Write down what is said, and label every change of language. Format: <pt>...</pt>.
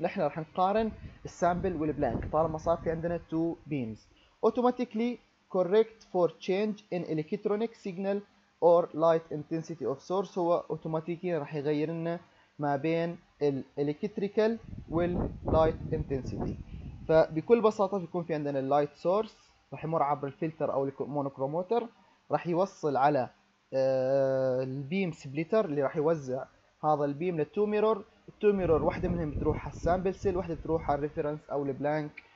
<ar>نحن رح نقارن السامبل والبلانك طالما صار في عندنا two beams.</ar> <en>automatically correct for change in electronic signal or light intensity of source،</en> <ar>هو اوتوماتيكيا رح يغير لنا ما بين ال</ar> <en>electrical وال light intensity.</en> <ar>فبكل بساطة بيكون في عندنا ال light source رح يمر عبر الفلتر أو المونوكروموتر، رح يوصل على ال beam splitter اللي رح يوزع هذا البيم للتو ميرور. التو ميرور واحدة منهم بتروح على السامبل سيل، واحدة بتروح على الريفرنس او البلانك.</ar>